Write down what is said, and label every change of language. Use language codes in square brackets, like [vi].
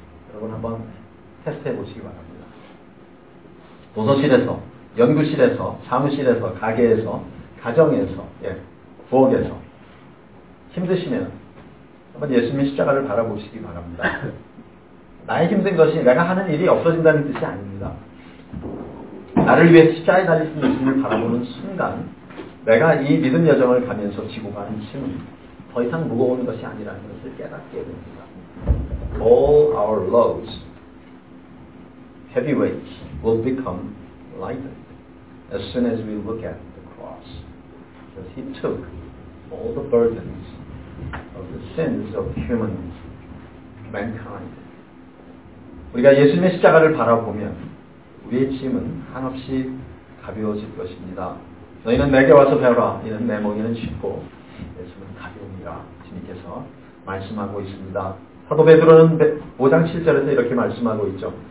[ko] 여러분 한번 테스트해 보시기 바랍니다. 도서실에서, 연구실에서, 사무실에서, 가게에서, 가정에서, 예, 부엌에서 힘드시면 한번 예수님의 십자가를 바라보시기 바랍니다. 나의 힘든 것이 내가 하는 일이 없어진다는 뜻이 아닙니다. 나를 위해 십자가에 달리신 예수님을 바라보는 순간 내가 이 믿음 여정을 가면서 지고 가는 짐은 더 이상 무거운 것이 아니라는 것을 깨닫게 됩니다. [en] All our loads, heavy weights, will become lightened as soon as we look at the cross. Because he took all the burdens of the sins of humans, mankind. [ko] 우리가 예수님의 십자가를 바라보면 우리의 짐은 한없이 가벼워질 것입니다. 너희는 내게 와서 배워라. 이는 내 먹이는 쉽고 내 짐은 가벼우니라. 주님께서 말씀하고 있습니다. 사도 베드로는 5장 7절에서 이렇게 말씀하고 있죠.